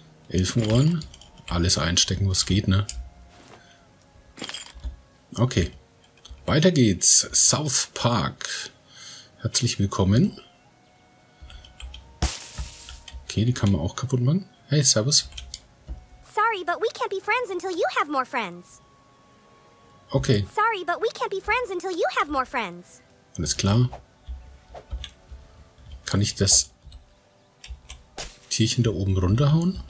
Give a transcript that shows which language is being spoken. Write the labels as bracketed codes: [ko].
[de] Elfenohren. Alles einstecken, was geht, ne? Okay. Weiter geht's. South Park. Herzlich willkommen. Okay, die kann man auch kaputt machen. Hey, servus. [en] Sorry, but we can't be friends until you have more friends. Okay. Sorry, but we can't be friends until you have more friends. [de] Alles klar. Kann ich das Tierchen da oben runterhauen?